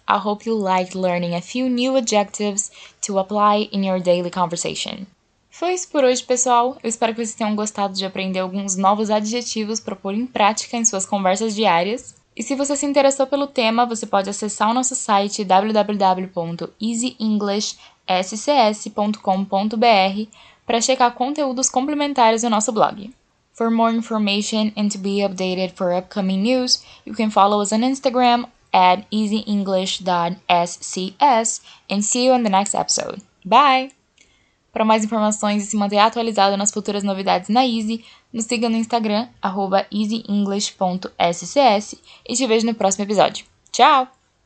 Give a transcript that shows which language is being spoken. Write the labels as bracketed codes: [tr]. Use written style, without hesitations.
[en] I hope you liked learning a few new adjectives to apply in your daily conversation. [pt] Foi isso por hoje, pessoal. Eu espero que vocês tenham gostado de aprender alguns novos adjetivos para pôr em prática em suas conversas diárias. E se você se interessou pelo tema, você pode acessar o nosso site www.easyenglishscs.com.br para checar conteúdos complementares no nosso blog. [en] For more information and to be updated for upcoming news, you can follow us on Instagram at easyenglish.scs and see you in the next episode. Bye! [pt] Para mais informações e se manter atualizado nas futuras novidades na Easy, nos siga no Instagram, @easyenglish.scs e te vejo no próximo episódio. Tchau!